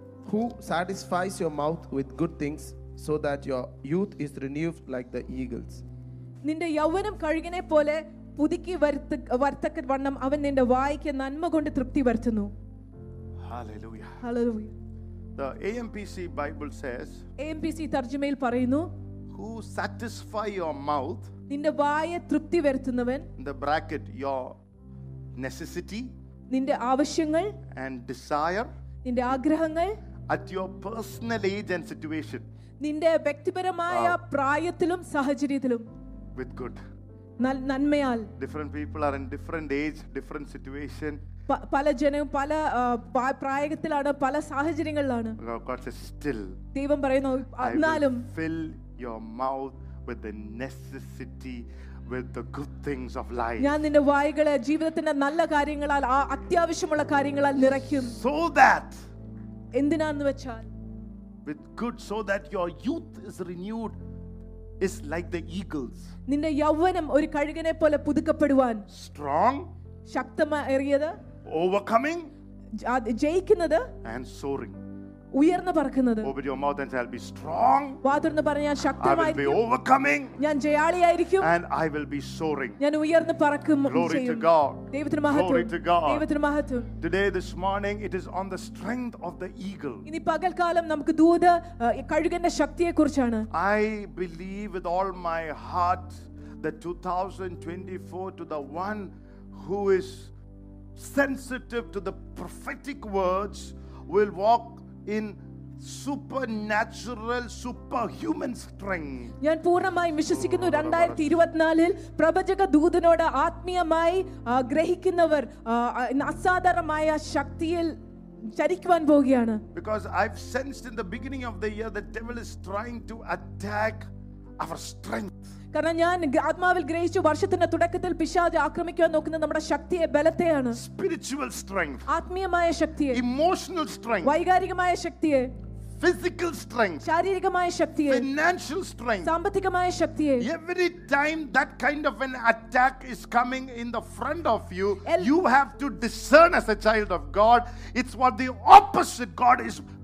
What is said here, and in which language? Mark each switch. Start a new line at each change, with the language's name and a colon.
English: Who satisfies your mouth with good things so that your youth is renewed like the eagles?
Malayalam: നിന്റെ യൗവനം കഴുകനെ പോലെ പുതുക്കി വർത്തക്ക വണ്ണം അവൻ നിന്റെ വായ്ക്ക് നന്മ കൊണ്ട് തൃപ്തി വരുത്തുന്നു.
English: Hallelujah. Hallelujah. The AMPC Bible says,
Malayalam: AMPC തർജ്ജമയിൽ പറയുന്നു,
English: who satisfy your mouth,
Malayalam: നിന്റെ വായെ തൃപ്തി വരുത്തുന്നവൻ,
English: the bracket your necessity,
Malayalam: നിന്റെ ആവശ്യങ്ങൾ,
English: and desire,
Malayalam: നിന്റെ ആഗ്രഹങ്ങൾ,
English: at your personal age and situation,
Malayalam: നിന്റെ വ്യക്തിപരമായ പ്രായത്തിലും സാഹചര്യത്തിലും,
English: with good,
Malayalam: നന്മയാൽ.
English: Different people are in different age, different situation.
Malayalam: പല ജനവും പല പ്രായത്തിലാണ്, പല സാഹചര്യങ്ങളിലാണ്. ദൈവം പറയുന്നു, എന്നാലും
English: fill your mouth with the necessity, with the good things of life.
Malayalam: ഞാൻ നിന്റെ വായ്കളെ ജീവിതത്തിന്റെ നല്ല കാര്യങ്ങളാൽ, ആ അത്യാവശ്യമുള്ള കാര്യങ്ങളാൽ നിറയ്ക്കും.
English: So that,
Malayalam: എന്തിനാന്ന് വെച്ചാൽ,
English: with good, so that your youth is renewed, is like the eagles.
Malayalam: നിന്റെ യൗവനം ഒരു കഴുകനെ പോലെ പുതുക്കപ്പെടുവാൻ,
English: strong,
Malayalam: ശക്തമേറിയത്,
English: overcoming,
Malayalam: ജയിക്കുന്നത്,
English: and soaring,
Malayalam: ഉയർന്ന് പറക്കുന്നത്.
English: Open your mouth and say, I'll be strong,
Malayalam: വാ തുറന്ന് പറഞ്ഞ, ഞാൻ ശക്തമായിരിക്കും,
English: I will be overcoming,
Malayalam: ഞാൻ ജയാളിയായിരിക്കും,
English: and I will be soaring,
Malayalam: ഞാൻ ഉയർന്ന് പറക്കും.
English: Glory to God,
Malayalam: ദൈവത്തിന് മഹത്വം,
English: glory to God,
Malayalam: ദൈവത്തിന് മഹത്വം.
English: Today, this morning, it is on the strength of the eagle.
Malayalam: ഇനി പകൽക്കാലം നമുക്ക് ദൂത കഴുകന്റെ ശക്തിയെ കുറിച്ചാണ്.
English: I believe with all my heart that 2024, to the one who is sensitive to the prophetic words, will walk in supernatural, superhuman strength.
Malayalam: ഞാൻ പൂർണ്ണമായി വിശ്വസിക്കുന്നു, 2024 പ്രവചക ദൂതനോട് ആത്മീയമായി ഗ്രഹിക്കുന്നവർ അസാധാരണമായ ശക്തിയിൽ ചരിക്കുവാൻ പോവുകയാണ്.
English: Because I've sensed in the beginning of the year the devil is trying to attack our strength.
Malayalam: കാരണം ഞാൻ ആത്മാവിൽ ഗ്രഹിച്ചു, വർഷത്തിന്റെ തുടക്കത്തിൽ പിശാച് ആക്രമിക്കാൻ നോക്കുന്ന നമ്മുടെ ശക്തിയെ, ബലത്തെയാണ്.
English: spiritual strength,
Malayalam: ആത്മീയമായ ശക്തിയെ.
English: emotional strength,
Malayalam: വൈകാരികമായ ശക്തിയെ.
English: physical strength,
Malayalam: ശാരീരികമായ ശക്തിയെ.
English: financial strength,
Malayalam: സാമ്പത്തികമായ ശക്തിയെ.
English: Every time that kind of an attack is coming in the front of you, you have to discern as a child of God, it's what the opposite God is.